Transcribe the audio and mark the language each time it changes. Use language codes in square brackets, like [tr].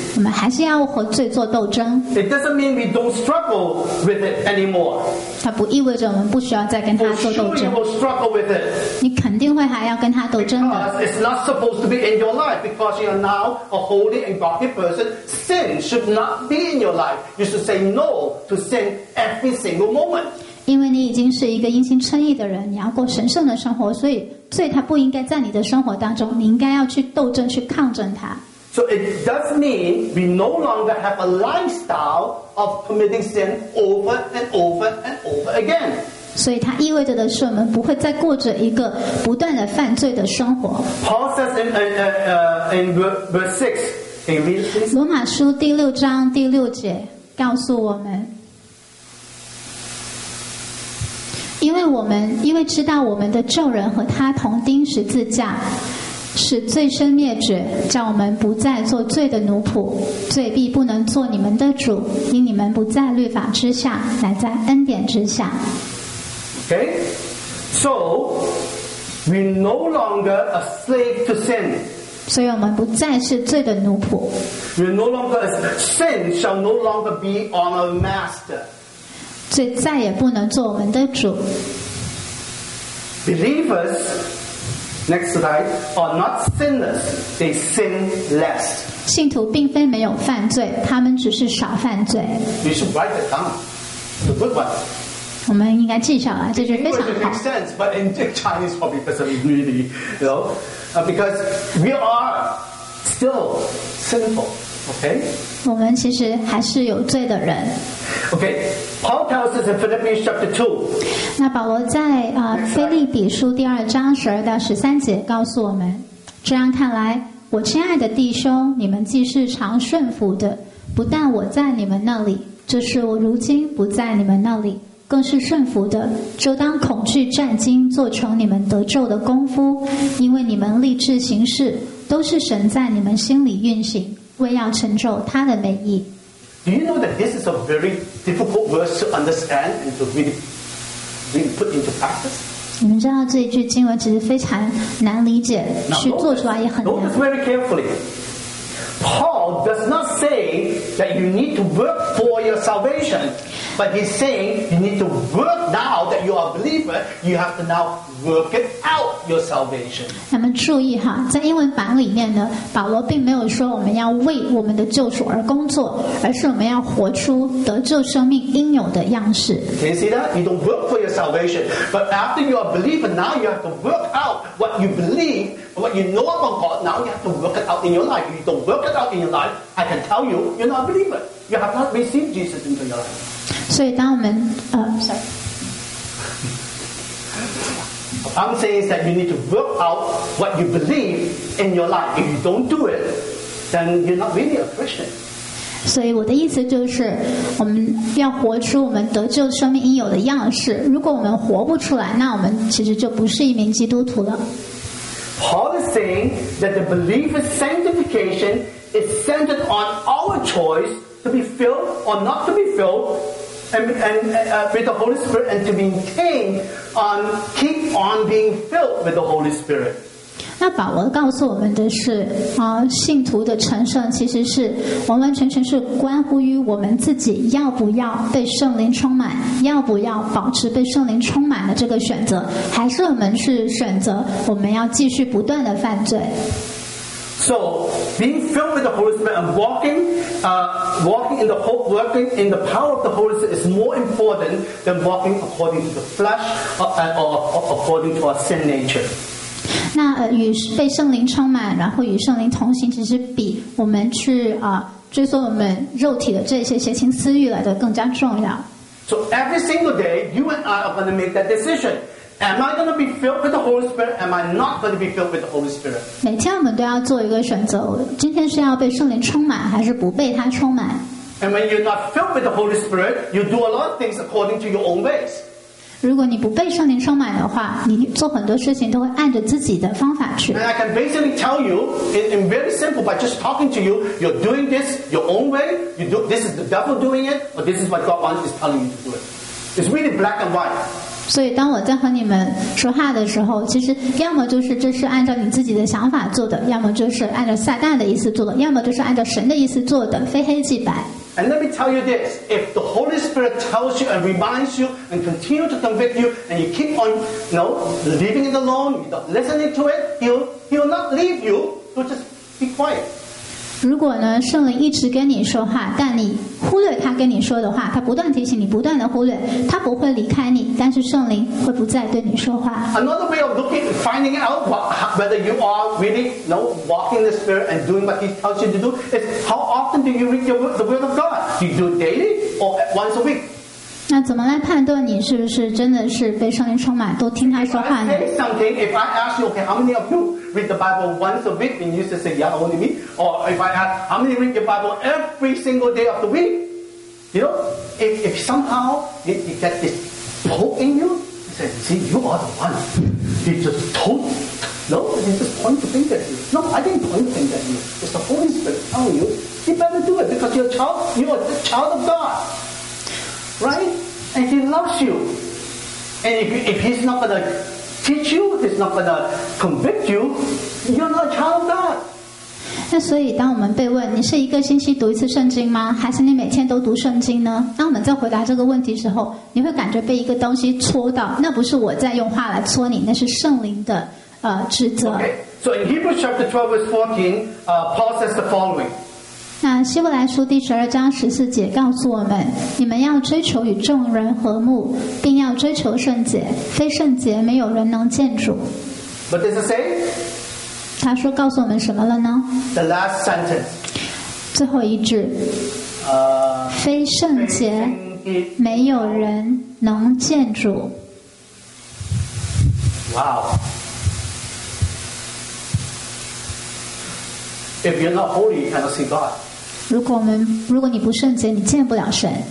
[zh] 我们还是要和罪做斗争。 [en] It doesn't mean we don't struggle with it anymore. [zh] 它不意味着我们不需要再跟它做斗争。 [en] For sure you will struggle with it. [zh] 你肯定会还要跟它斗争的。 [en] Because it's not supposed to be in your life, because you are now a holy and godly person. Sin should not be in your life. You should say no to sin every single moment. [zh] 因为你已经是一个因信称义的人，你要过神圣的生活，所以罪它不应该在你的生活当中，你应该要去斗争，去抗争它。 [en] So it does mean we no longer have a lifestyle of committing sin over and over and over again. [zh] 所以它意味着的是，我们不会再过着一个不断的犯罪的生活。 [en] Paul says in verse 6, can you read this? [zh] 罗马书第六章第六节告诉我们。因为知道我们的旧人和他同钉十字架，使罪身灭绝，叫我们不再做罪的奴仆，罪必不能做你们的主，因你们不在律法之下，乃在恩典之下。 [en] Okay, so We no longer a slave to sin. [zh] 所以我们不再是罪的奴仆。 [en] We no longer sin shall no longer be on our master. [zh] 罪再也不能做我们的主。 [en] Believers, next slide, are not sinless. They sin less. [zh] 信徒并非没有犯罪，他们只是少犯罪。 [en] We should write it down. The good one. [zh] 我们应该记下来，这是非常好。 [en] English makes sense, but in Chinese probably doesn't really, you know, because we are still sinful, okay? [zh] 我们其实还是有罪的人。 [en] Okay, Paul tells us in Philippians chapter 2. [zh] 那保罗在腓立比书第二章十二到十三节告诉我们，这样看来，我亲爱的弟兄，你们既是常顺服的，不但我在你们那里，就是我如今不在你们那里。更是顺服的，就当恐惧战惊，做成你们得救的功夫，因为你们立志行事，都是神在你们心里运行，为要成就他的美意。 [en] Do you know that this is a very difficult verse to understand and to really put into practice? [zh] 你们知道这一句经文其实非常难理解，去做出来也很难。 [en] Notice very carefully. Paul does not say that you need to work for your salvation. But he's saying you need to work now that you are a believer. You have to now work it out your salvation. [zh] 那么注意哈，在英文版里面呢，保罗并没有说我们要为我们的救赎而工作，而是我们要活出得救生命应有的样式。 [en] Can you see that? You don't work for your salvation, but after you are a believer, now you have to work out what you believe, what you know about God. Now you have to work it out in your life. If you don't work it out in your life, I can tell you you're not a believer. You have not received Jesus into your life. [zh] 所以当我们 [en] I'm saying is that you need to work out what you believe in your life. If you don't do it, then you're not really a Christian. [zh] 所以我的意思就是，我们要活出我们得救生命应有的样式。如果我们活不出来，那我们其实就不是一名基督徒了。 [en] Paul is saying that the believer's sanctification is centered on our choice to be filled or not to be filled. With the Holy Spirit and to maintain on keep on being filled with the Holy Spirit. [zh] 那保罗告诉我们的是，信徒的成圣其实是完完全全是关乎于我们自己要不要被圣灵充满，要不要保持被圣灵充满的这个选择，还是我们是选择我们要继续不断的犯罪。 [en] So being filled with the Holy Spirit and walking in the hope, working in the power of the Holy Spirit is more important than walking according to the flesh or according to our sin nature. [zh] 那与被圣灵充满，然后与圣灵同行，其实比我们去追随我们肉体的这些邪情私欲来的更加重要。 [en] So every single day, you and I are going to make that decision. Am I going to be filled with the Holy Spirit? Am I not going to be filled with the Holy Spirit? [zh] 每天我们都要做一个选择，今天是要被圣灵充满，还是不被他充满？ [en] And when you're not filled with the Holy Spirit, you do a lot of things according to your own ways. [zh] 如果你不被圣灵充满的话，你做很多事情都会按着自己的方法去。 [en] And I can basically tell you, in very simple, by just talking to you, you're doing this your own way. You do this is the devil doing it, or this is what God wants is telling you to do it. It's really black and white. [zh] 所以当我在和你们说话的时候，其实要么就是这是按照你自己的想法做的，要么就是按照撒旦的意思做的，要么就是按照神的意思做的，非黑即白。 [en] And let me tell you this, if the Holy Spirit tells you and reminds you and continue to convict you and you keep on, you know, leaving it alone, listening to it, he'll not leave you, so just be quiet. [zh] 如果呢，圣灵一直跟你说话，但你忽略他跟你说的话，他不断提醒你，不断的忽略，他不会离开你，但是圣灵会不再对你说话。 [en] Another way of looking, finding out whether you are really, you know, walking the Spirit and doing what He tells you to do is how often do you read the Word of God? Do you do it daily or once a week? [zh] 那怎么来判断你是不是真的是被圣灵充满，都听他说话呢 [en] ？If I say something, if I ask you, okay, how many of you read the Bible once a week? And you say, yeah, only me. Or if I ask, how many read your Bible every single day of the week? You know, if somehow you get this hope in you, you say, see, you are the one. You just told, no, you just point the finger at you. No, I didn't point the finger at you. It's the Holy Spirit telling you, you better do it because you're the child of God. Right? And he loves you. And if he's not going to teach you, he's not going to convict you. You're not a child of God. [zh] 那所以当我们被问你是一个星期读一次圣经吗还是你每天都读圣经呢当我们在回答这个问题时候你会感觉被一个东西戳到那不是我在用话来戳你那是圣灵的职责 [en] okay. So in Hebrews chapter 12 verse 14 Paul says the following [zh] 那希伯来书第十二章十四节告诉我们你们要追求与众人和睦并要追求圣洁非圣洁没有人能见主 [en] But does it say? [zh] 他说告诉我们什么了呢 [en] The last sentence [zh] 最后一句非圣洁没有人能见主 [en] Wow If you're not holy you cannot see God [zh] 如果你不圣洁你见不了神